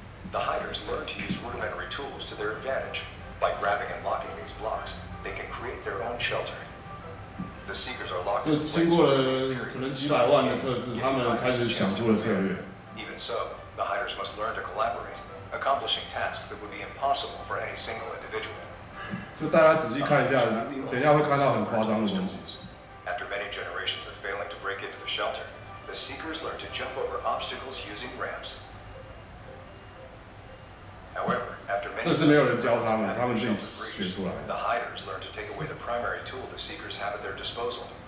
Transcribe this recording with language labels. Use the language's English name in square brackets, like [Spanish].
[English] The hiders learn to use rudimentary tools to their advantage. By grabbing and locking these blocks, they can create their own shelter. The seekers are locked in place for a period of time. They get a chance to prepare. Even so,The hiders must learn to collaborate, accomplishing tasks that would be impossible for any single individual. [Chinese] 就大家仔细看一下，等一下会看到很夸张的东西。 [English] After many generations of failing to break into the shelter, the seekers learned to jump over obstacles using ramps. However, after many years of failing to break into the shelter, the seekers learned to jump over obstacles using ramps. The hiders learned to take away the primary tool the seekers have at their disposal.